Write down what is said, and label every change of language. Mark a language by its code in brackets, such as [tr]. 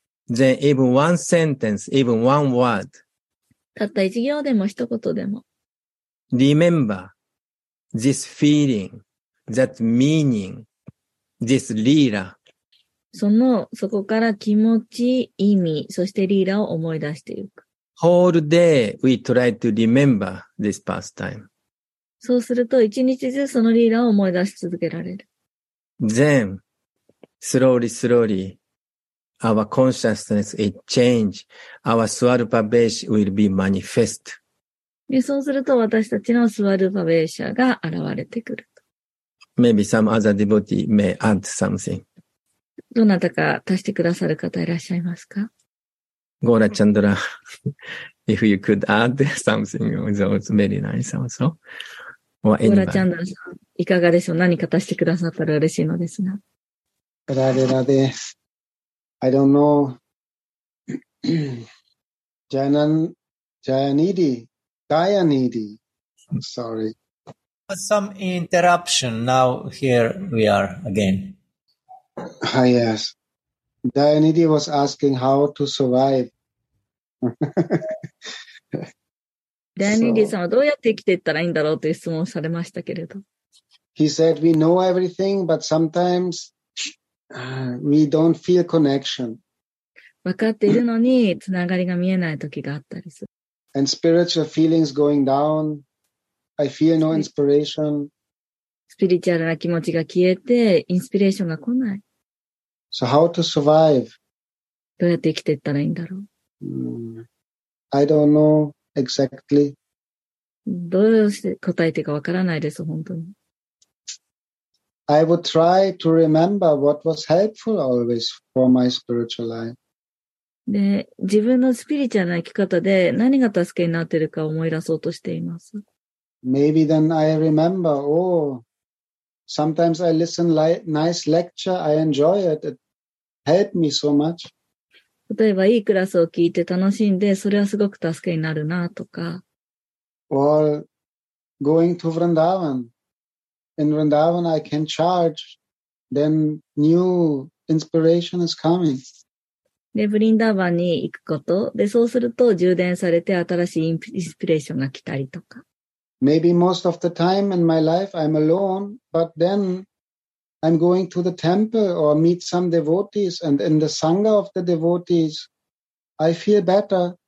[en] Then even one sentence, even one word. [ja] たった一行でも一言でも。 [en] RememberThis feeling, that meaning, this lira. [ja] そこから気持ち、意味、そしてリーラを思い出していく。 [en] Whole day we try to remember this pastime. [ja] そうすると一日中そのリーラを思い出し続けられる。 [en] Then, slowly, slowly, our consciousness will change. Our swarupa besh will be manifest. [ja] で、そうすると私たちのスワルパベーシャが現れてくると。 [en] Maybe some other devotee may add something. [ja] どなたか足してくださる方いらっしゃいますか？ [en] ゴーラチャンドラ、if you could add something, it was very nice also. Or anybody. [ja] ゴーラチャンドラさん、いかがでしょう？何か足してくださったら嬉しいのですが。 [en] ラデラデ、I don't know. ジャイアニディ。Dianidi, sorry. Some interruption. Now here we are again. Ah, yes. Dianidi was asking how to survive. [ja] Dianidi さんはどうやって生きていったらいいんだろうという質問をされましたけれど。 [en] He said we know everything, but sometimes we don't feel connection. [ja] わかっているのにつながりが見えない時があったりする。 [en] And spiritual feelings going down. I feel no inspiration. [ja] Spiritual な気持ちが消えて、インスピレーションが来ない。 [en] So how to survive? [ja] どうやって生きていったらいいんだろう。 [en] I don't know exactly. [ja] どうして答えてかわからないです、本当に。 [en] I would try to remember what was helpful always for my spiritual life. [ja] で、自分のスピリチュアルな生き方で何が助けになっているか思い出そうとしています。 [en] Maybe then I remember, oh, sometimes I listen nice lecture, I enjoy it, it helped me so much. [ja] 例えばいいクラスを聞いて楽しんで、それはすごく助けになるなとか。 [en] Or going to Vrindavan. In Vrindavan I can charge, then new inspiration is coming. [ja] で、ブリンダーバンに行くこと。で、そうすると充電されて新しいインスピレーションが来たりとか。 [en] Maybe most of the time in my life I'm alone, but then I'm going to the temple or meet some devotees and in the sangha of the devotees, I feel better.